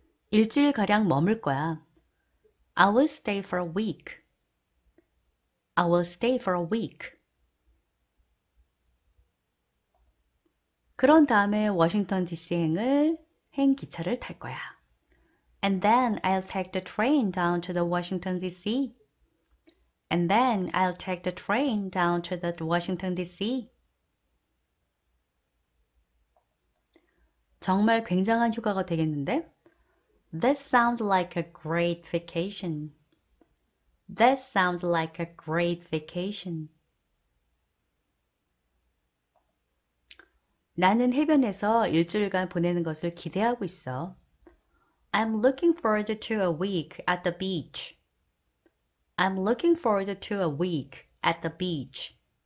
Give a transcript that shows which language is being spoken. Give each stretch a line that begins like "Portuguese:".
Korean: 일주일 가량 머물 거야.
English: I will stay for a week. I will stay for a week.
Korean: 그런 다음에 워싱턴 DC행을 행 기차를 탈 거야.
English: And then I'll take the train down to the Washington DC. And then I'll take the train down to the Washington DC.
Korean: 정말 굉장한 휴가가 되겠는데?
English: That sounds like a great vacation. That sounds like a great vacation.
Korean: 나는 해변에서 일주일간 보내는 것을 기대하고 있어.
English: I'm looking forward to a week at the beach. I'm looking forward to a week at the beach.